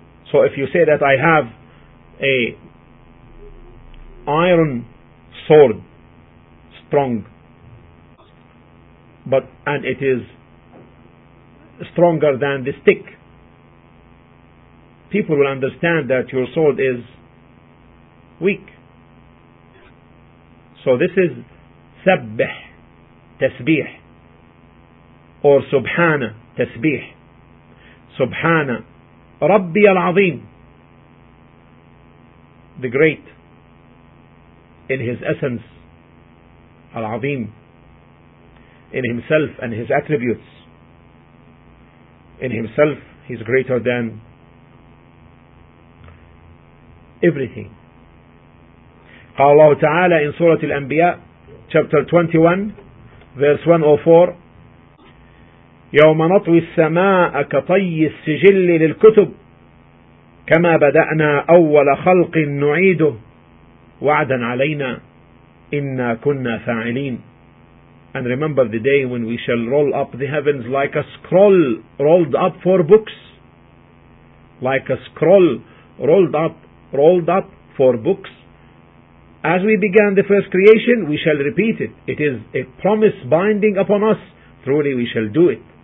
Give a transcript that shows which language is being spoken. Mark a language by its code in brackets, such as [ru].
[en] So if you say that I have a iron sword, strong, but and it is stronger than the stick, people will understand that your sword is weak. So this is [ar] سبح تسبيح [en] or [ar] سبحان تسبيح. سبحان ربي العظيم, [en] the great in his essence, العظيم in himself and his attributes. In himself he is greater than everything. [ar] قال الله تعالى in سورة الأنبياء [en] chapter 21 verse 104, [ar] يوم نطوي السماء كطي السجل للكتب كما بدأنا أول خلق نعيده وعدا علينا إنا كنا فاعلين. [en] And remember the day when we shall roll up the heavens like a scroll rolled up for books, like a scroll rolled up for books. As we began the first creation, we shall repeat it. It is a promise binding upon us. Truly we shall do it.